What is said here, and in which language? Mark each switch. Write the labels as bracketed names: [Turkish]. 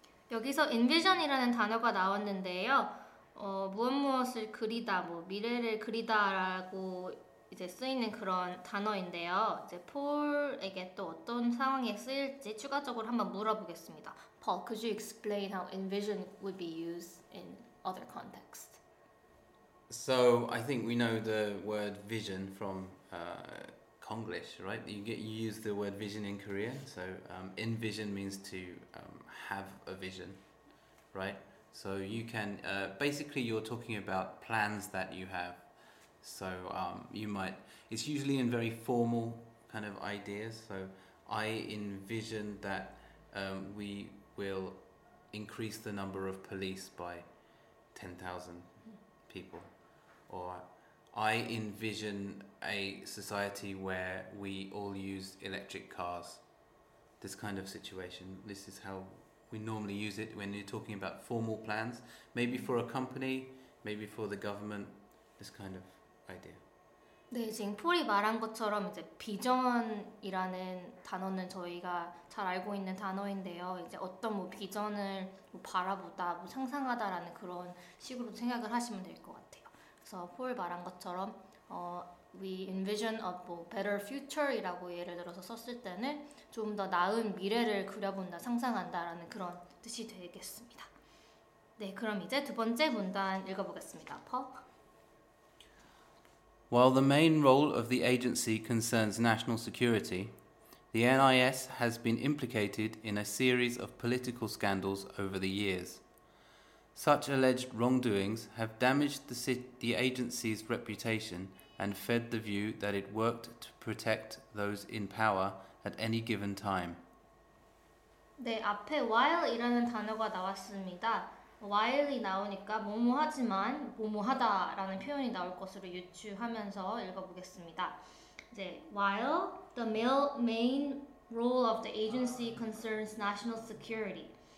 [Korean] 여기서 envision이라는 단어가 나왔는데요. 무엇무엇을 그리다, 뭐 미래를 그리다라고 이제 쓰이는 그런 단어인데요. 이제 폴에게 또 어떤 상황에 쓰일지 추가적으로 한번 물어보겠습니다. [English] Paul, could you explain how envision would be used in other contexts? So I think we know the word vision from Konglish, right? You use the word vision in Korea. So envision means to have a vision, right? So you can, basically you're talking about plans that you have. So you might, it's usually in very formal kind of ideas. So I envision that we will increase the number of police by 10,000 people. Or I envision a society where we all use electric cars. This kind of situation, this is how we normally use it when you're talking about formal plans, maybe for a company, maybe for the government, this kind of idea. [Korean] 네, 지금 폴이 말한 것처럼 이제 비전이라는 단어는 저희가 잘 알고 있는 단어인데요. 이제 어떤 뭐 비전을 뭐 바라보다, 뭐 상상하다라는 그런 식으로 생각을 하시면 될 것 같아요. 그래서 폴 말한 것처럼 [English] we envision a better future [Korean] 이라고 예를 들어서 썼을 때는 좀 더 나은 미래를 그려본다, 상상한다라는 그런 뜻이 되겠습니다. 네, 그럼 이제 두 번째 문단 읽어보겠습니다. 퍼. [English] While the main role of the agency concerns national security, the NIS has been implicated in a series of political scandals over the years. Such alleged wrongdoings have damaged the agency's reputation and fed the view that it worked to protect those in power at any given time. [Korean] 네, 앞에 while이라는 단어가 나왔습니다. while이 나오니까 뭐뭐 하지만 뭐뭐 하다라는 표현이 나올 것으로 유추하면서 읽어보겠습니다. [English] 이제 while the main role of the agency concerns national security.